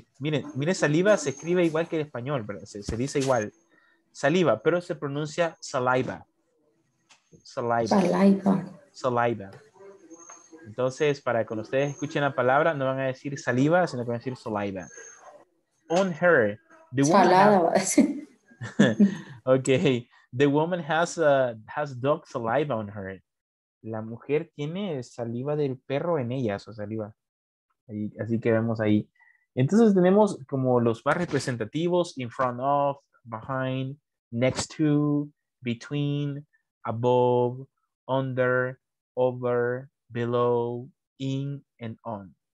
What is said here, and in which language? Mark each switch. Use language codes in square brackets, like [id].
[es] Miren, saliva se escribe igual que el español, ¿verdad? Se dice igual. Saliva, pero se pronuncia saliva. Saliva. Saliva. Saliva. Entonces, para que cuando ustedes escuchen la palabra, no van a decir saliva, sino que van a decir saliva. [en] On her. The woman salada. Okay, the woman has dog saliva on her. [es] La mujer tiene saliva del perro en ella, su saliva. Ahí, así que vemos ahí. Entonces tenemos como los más representativos: [en] in front of, behind, next to, between, above, under, over, below, in, and on.